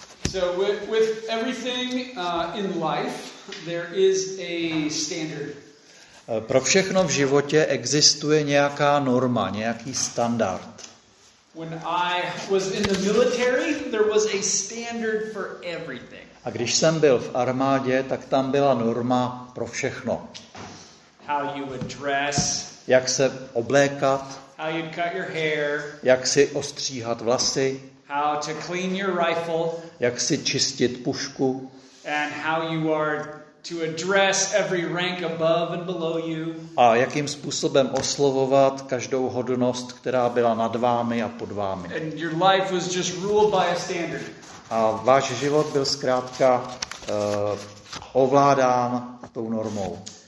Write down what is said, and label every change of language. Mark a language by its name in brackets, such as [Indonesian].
[English] So with everything in life, there is a standard. [Czech] Pro všechno v životě existuje nějaká norma, nějaký standard. [English] When I was in the military, there was a standard for everything. [Czech] A když jsem byl v armádě, tak tam byla norma pro všechno. [English] How you would dress. [Czech] Jak se oblékat. [English] How you'd cut your hair. [Czech] Jak si ostříhat vlasy. [English] How to clean your rifle, [Czech] jak si čistit pušku, [English] and how you are to address every rank above and below you, [Czech] a jakým způsobem oslovovat každou hodnost, která byla nad vámi a pod vámi. [English] And your life was just ruled by a standard. [Czech] A váš život byl zkrátka ovládán tou normou.